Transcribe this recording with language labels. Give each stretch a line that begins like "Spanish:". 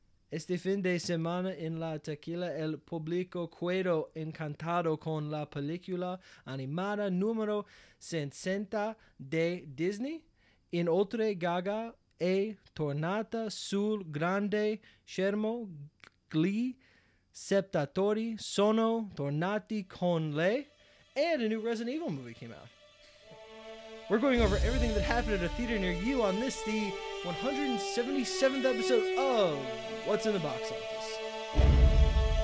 Spanish: Este fin de semana en la taquilla el público quedó encantado con la película animada número 60 de Disney.
Italian: En otra Gaga e tornata sul grande schermo gli septatori sono tornati con lei.
English: And a new Resident Evil movie came out. We're going over everything that happened at a theater near you on this, the 177th episode of What's in the Box Office.